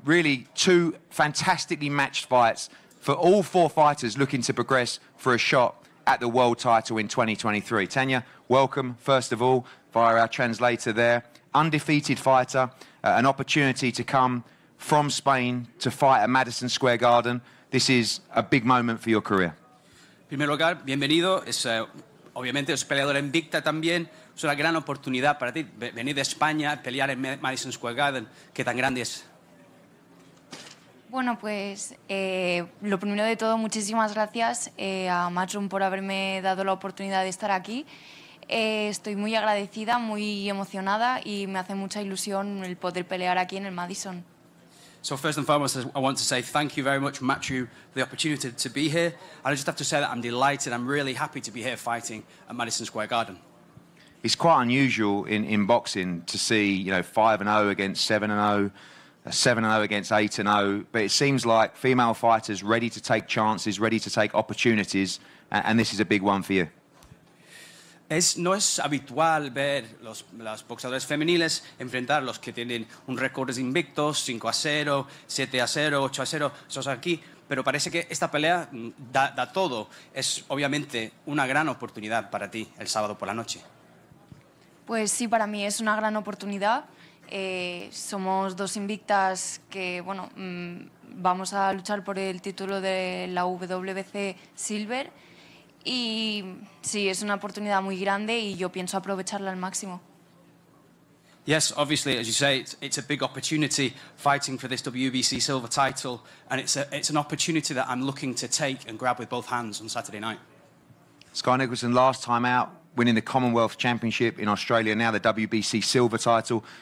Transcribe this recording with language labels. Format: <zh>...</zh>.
<en>Really, two fantastically matched fights for all four fighters looking to progress for a shot at the world title in 2023. Tanya, welcome first of all via our translator there. Undefeated fighter, an opportunity to come from Spain to fight at Madison Square Garden. This is a big moment for your career.</en> <es>Primero lugar, bienvenido. Obviamente, es peleador invicta también. Es una gran oportunidad para ti venir de España, pelear en Madison Square Garden. ¿Qué tan grande es? Bueno, pues lo primero de todo, muchísimas gracias a Matchroom por haberme dado la oportunidad de estar aquí. Estoy muy agradecida, muy emocionada y me hace mucha ilusión el poder pelear aquí en el Madison.</es> <en>So first and foremost, I want to say thank you very much, Matthew, for the opportunity to be here. And I just have to say that I'm delighted. I'm really happy to be here fighting at Madison Square Garden. It's quite unusual in boxing to see, you know, 5-0 against 7-0, 7-0 against 8-0. But it seems like female fighters ready to take chances, ready to take opportunities. And this is a big one for you.</en> <es>No es habitual ver las boxeadoras femeniles enfrentar a los que tienen un récord de invictos, 5-0, 7-0, 8-0, esos aquí, pero parece que esta pelea da todo. Es obviamente una gran oportunidad para ti el sábado por la noche. Pues sí, para mí es una gran oportunidad. Somos dos invictas que, bueno, vamos a luchar por el título de la WBC Silver. Y sí, es una oportunidad muy grande y yo pienso aprovecharla al máximo.</es> <en>Yes, obviously, as you say, it's a big opportunity fighting for this WBC silver title, and it's an opportunity that I'm looking to take and grab with both hands on Saturday night. Skye Nicolson, last time out, winning the Commonwealth Championship in Australia, now the WBC silver title.</en>